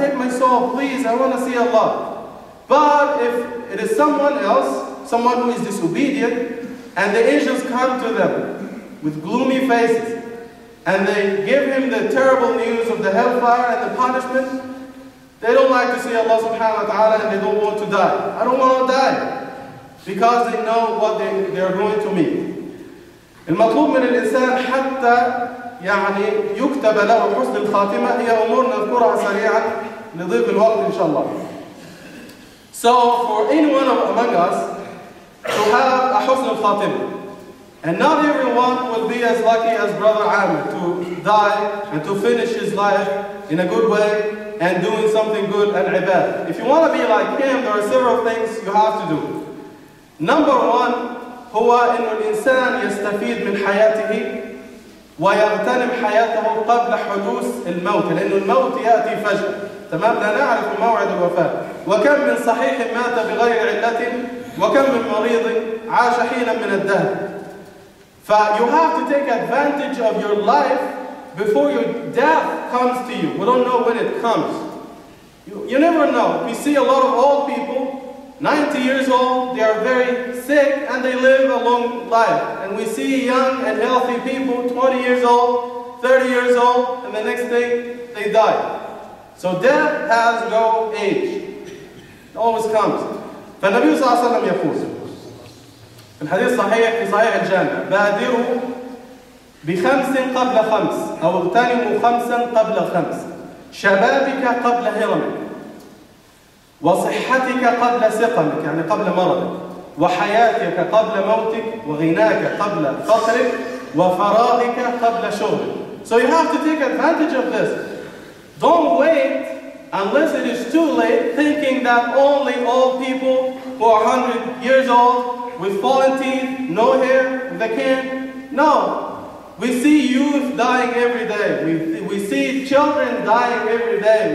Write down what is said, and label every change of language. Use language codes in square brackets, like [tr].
[en] Take my soul, please, I want to see Allah. But if it is someone else, someone who is disobedient, and the angels come to them with gloomy faces, and they give him the terrible news of the hellfire and the punishment, they don't like to see Allah subhanahu wa ta'ala and they don't want to die. I don't want to die. Because they know what they are going to meet. [ar] المطلوب من الإنسان حتى يعني يكتب له حسن الخاتمة هي أمور نذكرها سريعا لضيق الوقت إن شاء الله. [en] So for anyone among us to have a حسن الخاتمة, and not everyone will be as lucky as brother Amir to die and to finish his life in a good way and doing something good and ibadah. If you want to be like him, there are several things you have to do. Number one, [ar] هو إن الإنسان يستفيد من حياته ويغتنم حياته قبل حدوث الموت, لأن الموت يأتي فجأة, تمام؟ لا نعرف موعد الوفاة. وكم من صحيح مات بغير علة وكم من مريض عاش حينا من الدهر. [en] You have to take advantage of your life before your death comes to you. We don't know when it comes. You never know. We see a lot of old people, 90 years old, they are very sick and they live a long life. And we see young and healthy people, 20 years old, 30 years old, and the next day they die. So death has no age. It always comes. [ar] فالنبي صلى الله عليه وسلم يقول في الحديث الصحيح في صحيح الجامع بادروا بخمس قبل خمس أو اغتنموا خمسا قبل خمس شبابك قبل هرمك وصحتك قبل سقمك يعني قبل مرضك وحياتك قبل موتك وغناك قبل فقرك وفراغك قبل شغلك. [en] So you have to take advantage of this. Don't wait unless it is too late, thinking that only old people who are 100 years old, with fallen teeth, no hair, they can't. No. We see youth dying every day. We see children dying every day.